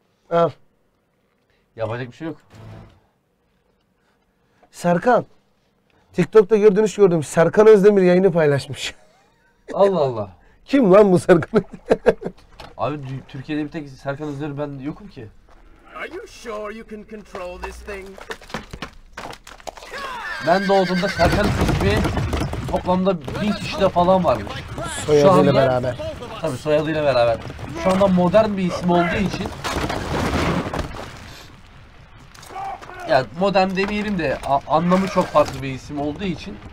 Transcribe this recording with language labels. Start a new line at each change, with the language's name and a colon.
Turkish: Al. Yapacak bir şey yok. Serkan. TikTok'ta gördüğünüz gördüm. Serkan Özdemir yayını paylaşmış. Allah Allah. Kim lan bu Serkan? Abi Türkiye'de bir tek Serkan Özdemir ben yokum ki.
English: Are you sure you can control this thing?
Turkish: Ben doğduğumda Serkan ismi toplamda 1000 kişide falan varmış. Soyadıyla beraber. Tabii soyadıyla beraber. Şu anda modern bir isim olduğu için. Ya modern demeyelim de anlamı çok farklı bir isim olduğu için.